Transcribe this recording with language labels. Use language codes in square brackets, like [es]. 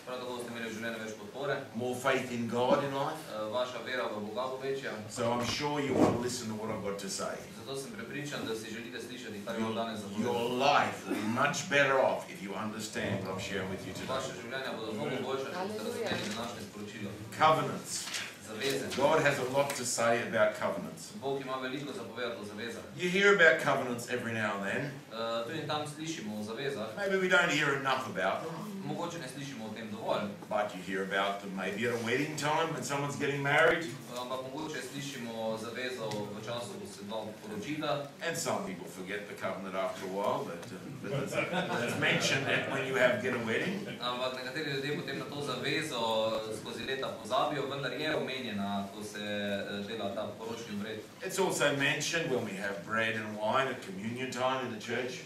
[sl] prav tako boste imeli življenja več podpore, [en] more faith in God in life, [sl] vaša vera v Boga bo večja. [en] So I'm sure you will listen to what I've got to say. [sl] Zato sem prepričan, da si želite slišati, kar bom danes zapovedal. [en] Your life will be much better off if you understand what I'm sharing with you today. [sl] Vaše življenje bodo mnogo boljše, če boste razumeli današnje sporočilo. [en] Covenants. God has a lot to say about covenants. [sl] Bog ima veliko za povedati o zavezah. [en] You hear about covenants every now and then. [sl] Tudi tam slišimo o zavezah. [en] Maybe we don't hear enough about them. [sl] Mogoče ne slišimo o tem dovolj. [en] But you hear about them maybe at a wedding time when someone's getting married. [sl] Ampak mogoče slišimo o zavezah v času, ko se dva poročita. [en] And some people forget the covenant after a while, but it's mentioned that when you have get a wedding. [sl] Ampak nekateri ljudje potem na to zavezo skozi leta pozabijo, vendar je omenjena, ko se dela ta poročni obred. [en] It's also mentioned when we have bread and wine at communion time in the church.